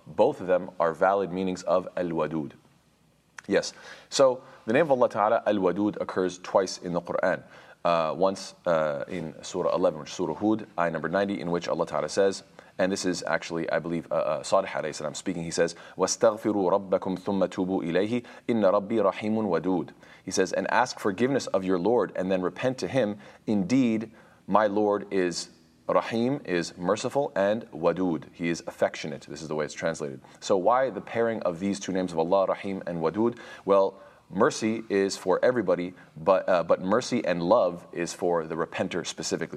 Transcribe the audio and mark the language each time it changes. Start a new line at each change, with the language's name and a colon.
English: Both of them are valid meanings of Al-Wadood. Yes, so the name of Allah ta'ala, Al-Wadood, occurs twice in the Qur'an. Once in Surah 11, which is Surah Hud, ayah number 90, in which Allah ta'ala says, and this is actually, I believe, Salih alayhi salam speaking. He says,
Arabic: وَاسْتَغْفِرُوا رَبَّكُمْ ثُمَّ تُوبُوا إِلَيْهِ إِنَّ رَبِّي رَحِيمٌ وَدُودٌ.
English: He says, and ask forgiveness of your Lord and then repent to him. Indeed, my Lord is Rahim, is merciful, and Wadood, he is affectionate. This is the way it's translated. So why the pairing of these two names of Allah, Rahim and Wadood? Well, mercy is for everybody, but mercy and love is for the repenter specifically.